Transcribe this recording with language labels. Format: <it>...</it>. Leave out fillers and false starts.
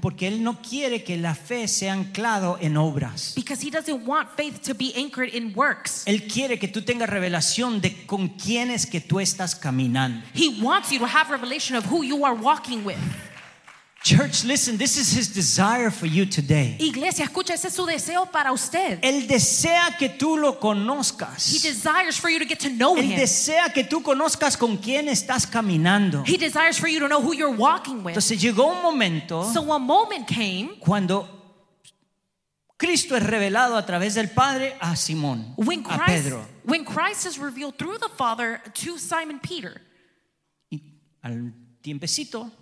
<es>Porque él no quiere que la fe sea anclado en obras.</es> <en>Because he doesn't want faith to be anchored in works.</en> <es>Él quiere que tú tengas revelación de con quién es que tú estás caminando.</es> <en>He wants you to have revelation of who you are walking with. Church, listen, this is his desire for you today.</en> <es>Iglesia, escucha, ese es su deseo para usted. Él desea que tú lo conozcas.</es> <en>He desires for you to get to know</en> <es>él</es> <en>him.</en> <es>Desea que tú conozcas con quién estás caminando.</es> <en>He desires for you to know who you're walking with.</en> <es>Entonces llegó un momento.</es> <en>So a moment came.</en> <es>Cuando Cristo es revelado a través del Padre a Simón, a Pedro.</es> <en>When Christ is revealed through the Father to Simon Peter.</en> <es>Y al tiempecito.</es>